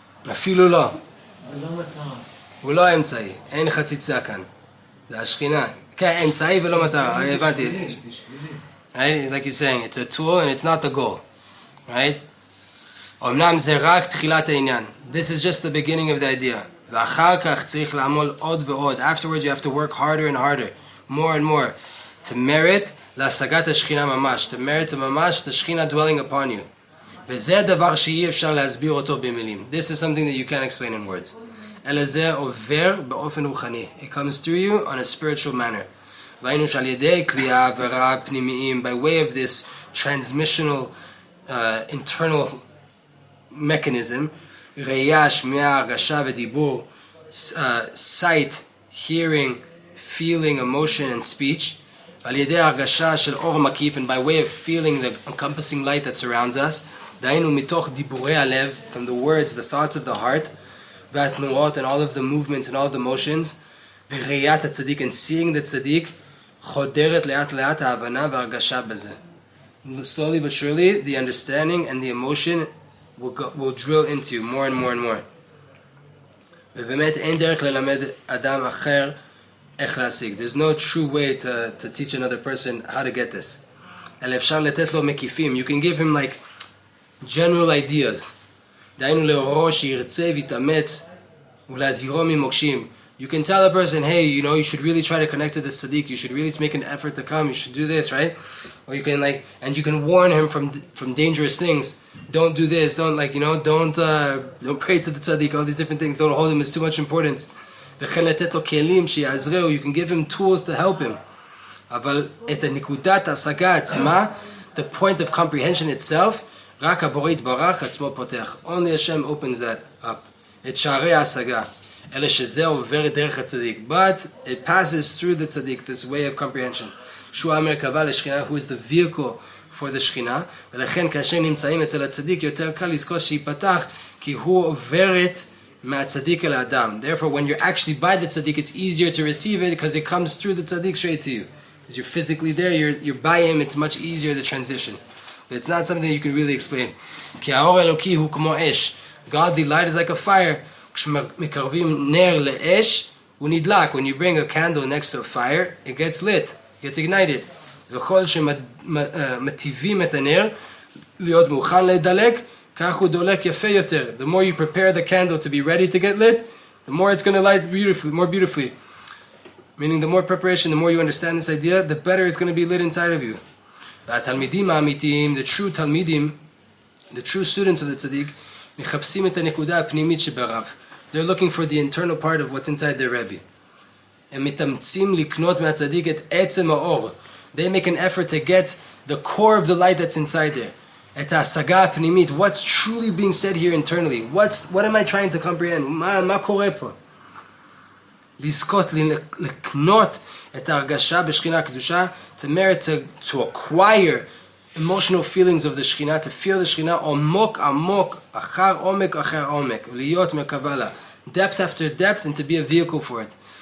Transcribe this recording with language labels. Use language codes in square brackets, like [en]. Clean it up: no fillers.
[he] אפילו לא. ולא אמצעי. אין חציצה כאן. זה השכינה. כן, אמצעי ולא מטרה. הבנתי. Right? [en] Like you're saying, it's a tool and it's not a goal. Right? [he] אמנם זה רק תחילת העניין. [en] This is just the beginning of the idea. [he] ואחר כך צריך לעמול עוד ועוד. [en] Afterwards you have to work harder and harder. More and more. To merit [he] להשגת השכינה ממש. [en] To merit to ממש the שכינה dwelling upon you. [he] וזה דבר שאי אפשר להסביר אותו במילים. [en] This is something that you can't explain in words. [he] אלא זה עובר באופן רוחני. [en] It comes through you on a spiritual manner. [he] והיינו שעל ידי כלי העברה פנימיים, [en] by way of this transmissional, internal mechanism, [he] ראייה, שמיעה, הרגשה ודיבור, [en] sight, hearing, feeling, emotion and speech, [he] על ידי הרגשה של אור מקיף, [en] and by way of feeling the encompassing light that surrounds us, [he] דיינו מתוך דיבורי הלב, [en] from the words, the thoughts of the heart, [he] והתנועות [en] and all of the movements and all of the motions, [he] וראיית הצדיק [en] and seeing the צדיק, [he] חודרת לאט לאט ההבנה והרגשה בזה. [en] Slowly but surely, the understanding and the emotion will drill into you more and more and more. [he] ובאמת אין דרך ללמד אדם אחר איך להשיג. [en] There's no true way to teach another person how to get this. [he] אלא אפשר לתת לו מקיפים. [en] You can give him like general ideas. [he] דיינו לאורו שירצה ויתאמץ ולהזירו ממוקשים. [en] You can tell a person, hey, you know, you should really try to connect to this tzaddik. You should really make an effort to come. You should do this, right? Or you can like, and you can warn him from dangerous things. Don't do this. Don't like, you know, don't pray to the tzaddik. All these different things. Don't hold him. It's too much importance. [he] וכן לתת לו כלים שיעזרו. [en] You can give him tools to help him. [he] אבל את הנקודת ההשגה עצמה, [en] the point of comprehension itself, [he] רק הבורא יתברך עצמו פותח. [en] Only Hashem opens that up. [he] את שערי ההשגה. אלא שזה עובר דרך הצדיק. [en] But it passes through the צדיק, this way of comprehension. [he] שהוא המרכבה לשכינה, [en] who is the vehicle for the שכינה. [he] ולכן כאשר נמצאים אצל הצדיק, יותר קל לזכור שיפתח, כי הוא עוברת מהצדיק אל האדם. [en] Therefore, when you're actually by the צדיק, it's easier to receive it, because it comes through the צדיק straight to you. Because you're physically there, you're by him, it's much easier the transition. But it's not something you can really explain. [he] כי האור האלוקי הוא כמו אש. [en] Godly light is like a fire. [he] כשמקרבים נר לאש, הוא נדלק. [en] When you bring a candle next to a fire, it gets lit. It gets ignited. [he] וכל שמטיבים את הנר, להיות מוכן לדלק, כך הוא דולק יפה יותר. [en] The more you prepare the candle to be ready to get lit, the more it's going to light beautifully, more beautifully. Meaning the more preparation, the more you understand this idea, the better it's going to be lit inside of you. [he] והתלמידים האמיתיים, [en] the true תלמידים, the true students of the tzaddik, [he] מחפשים את הנקודה הפנימית שברב. [en] They're looking for the internal part of what's inside their rabbi. [he] הם מתאמצים לקנות מהצדיק את עצם האור. [en] They make an effort to get the core of the light that's inside there. [he] את ההשגה הפנימית, [en] what's truly being said here internally. What am I trying to comprehend? [he] מה קורה פה? לזכות, לקנות את ההרגשה בשכינה הקדושה, [en] to merit to acquire emotional feelings of the Shekhinah, to feel the Shekhinah [he] עמוק עמוק, אחר עומק אחר עומק, להיות מקבלה, [en] depth after depth, and to be a vehicle for it.